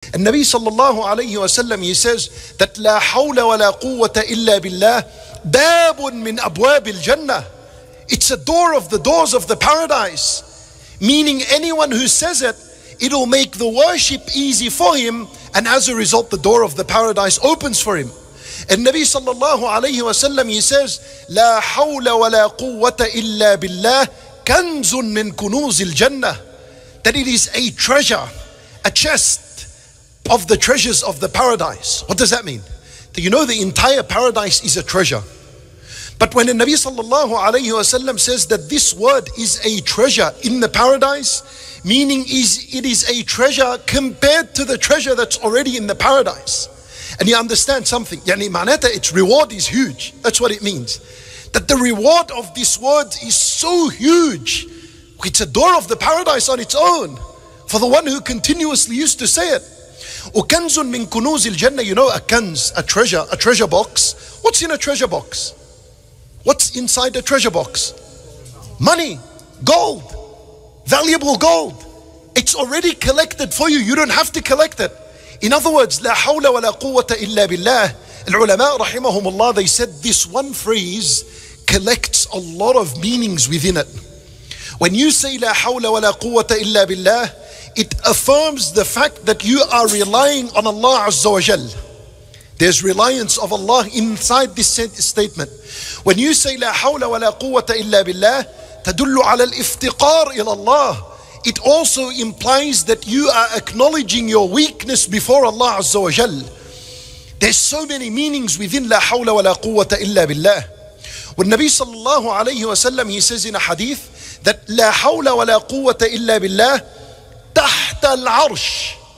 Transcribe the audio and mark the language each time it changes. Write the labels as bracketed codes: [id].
[ar] النبي صلى الله عليه وسلم [en] he says that [ar] لا حول ولا قوة إلا بالله باب من أبواب الجنة. [en] It's a door of the doors of the paradise. Meaning anyone who says it, it'll make the worship easy for him, and as a result, the door of the paradise opens for him. [ar] النبي صلى الله عليه وسلم [en] he says [ar] لا حول ولا قوة إلا بالله كنز من كنوز الجنة. [en] That it is a treasure, a chest of the treasures of the paradise. What does that mean? That you know the entire paradise is a treasure. But when النبي صلى الله عليه وسلم says that this word is a treasure in the paradise, meaning is it is a treasure compared to the treasure that's already in the paradise. And you understand something. [ar] يعني معناته [en] its reward is huge. That's what it means. That the reward of this word is so huge. It's a door of the paradise on its own for the one who continuously used to say it. [ar] وَكَنْزٌ مِنْ كُنُوزِ الْجَنَّةِ. [en] You know a kanz, a treasure box. What's in a treasure box? What's inside a treasure box? Money, gold, valuable gold. It's already collected for you. You don't have to collect it. In other words, [ar] لا حول ولا قوة إلا بالله. العلماء رحمهم الله, [en] they said this one phrase collects a lot of meanings within it. When you say لا حول ولا قوة إلا بالله, it affirms the fact that you are relying on Allah Azza wa Jal. There's reliance of Allah inside this statement. When you say [ar] لا حول ولا قوة إلا بالله, تدل على الافتقار إلى الله. [en] It also implies that you are acknowledging your weakness before Allah Azza wa Jal. There's so many meanings within لا حول ولا قوة إلا بالله. [ar] والنبي صلى الله عليه وسلم [en] he says in a hadith that [ar] لا حول ولا قوة إلا بالله تحت العرش.